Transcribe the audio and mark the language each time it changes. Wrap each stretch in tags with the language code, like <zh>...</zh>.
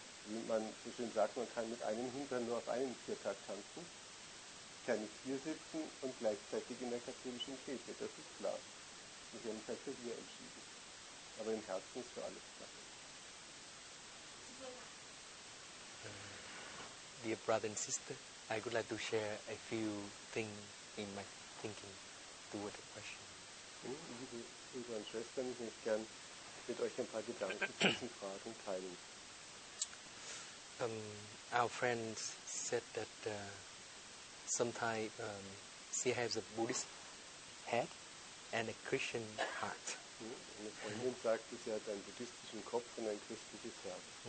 <de>wie man so schön sagt, man kann mit einem Hintern nur auf einem Viertakt tanzen, kann nicht hier sitzen und gleichzeitig in der katholischen Kirche, das ist klar. Und sie haben sich für hier entschieden. Aber im Herzen ist so alles klar.</de> <en>Dear brother and sister, I would like to share a few things in my thinking toward the question.</en> <de>Liebe Brüder und Schwestern, ich möchte gerne mit euch ein paar Gedanken zu diesen Fragen teilen.</de> <en>Our friend said that sometimes she has a Buddhist head and a Christian heart.</en> <de>Eine Freundin sagte, sie hat einen buddhistischen Kopf und ein christliches Herz.</de>